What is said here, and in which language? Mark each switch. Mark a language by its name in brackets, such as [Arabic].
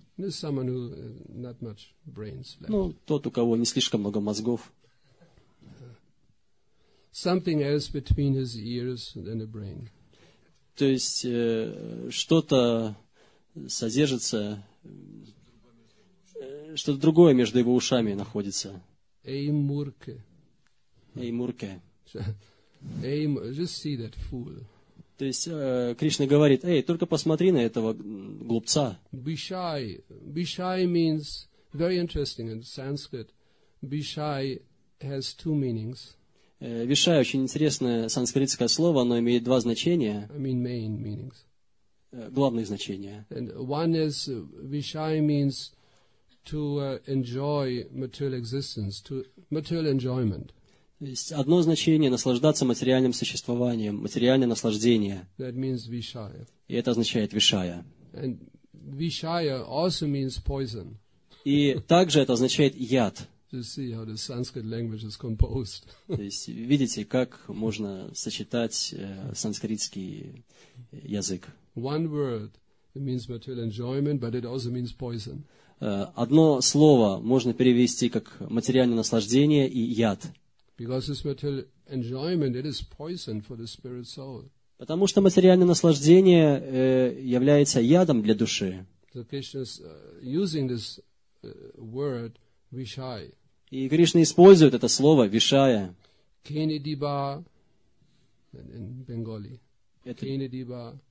[English] This is someone who not much brains left. [Russian] Ну, тот, у кого не слишком много мозгов. [English] Something else between his ears and the brain. [Russian] То есть, что-то содержится, что-то другое между его ушами находится. [Bangla] Эймурке. Эймурке. [English] Just see that fool. [Russian] То есть Кришна говорит, эй, только посмотри на этого глупца. [English] Бишай. Бишай means, very interesting in Sanskrit, бишай has two meanings. [Russian] Вишай очень интересное санскритское слово, оно имеет два значения. [English] I mean main meanings. [Russian] Главные значения. [English] And one is, вишай means to enjoy material existence, to material enjoyment. [Russian] То есть одно значение – наслаждаться материальным существованием, материальное наслаждение. [English] That means vishaya. [Russian] И это означает вишая. [English] And vishaya also means poison. [Russian] И также это означает яд. [English] You see how the Sanskrit language is composed. [Russian] То есть видите, как можно сочетать санскритский язык. [English] One word means material enjoyment, but it also means poison. [Russian] Одно слово можно перевести как материальное наслаждение и яд. [English] Because this material enjoyment, it is poison for the spirit soul. [Russian] Потому что материальное наслаждение является ядом для души. [English] So Krishna is using this word vishai. [Russian] И Кришна использует это слово вишая. [English] Кенедиба in Bengali. Кенедиба.